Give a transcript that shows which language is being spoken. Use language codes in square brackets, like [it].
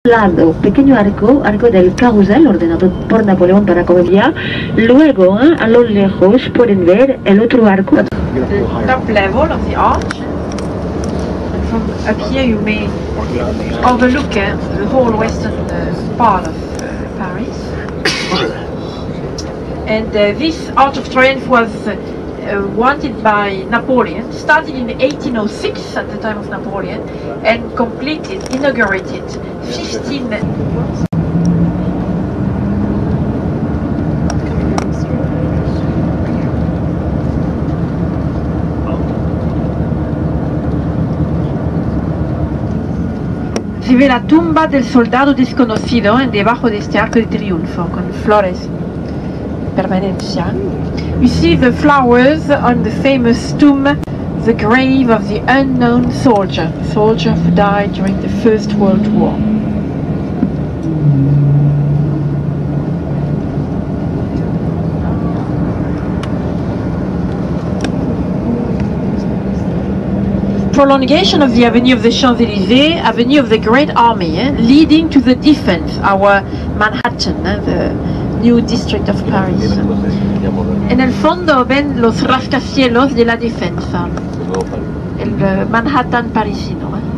[es] lado, pequeño arco, arco del carrusel ordenado por Napoleón para Colombia. Luego, a lo lejos, pueden ver el otro arco. [en] The top level of the arch. And from up here, you may overlook the whole western part of Paris. And this Arch of Triomphe was wanted by Napoleon, started in 1806 at the time of Napoleon, and completed, inaugurated 15. [es] Se ve la tumba del soldado desconocido en debajo de este arco de triunfo con flores. Permanencia. [en] You see the flowers on the famous tomb, the grave of the unknown soldier, the soldier who died during the First World War. Prolongation of the Avenue of the Champs-Élysées, Avenue of the Great Army, leading to the defense, our Manhattan, the new district of Paris. [es] En el fondo ven los rascacielos de la defensa, el Manhattan parisino.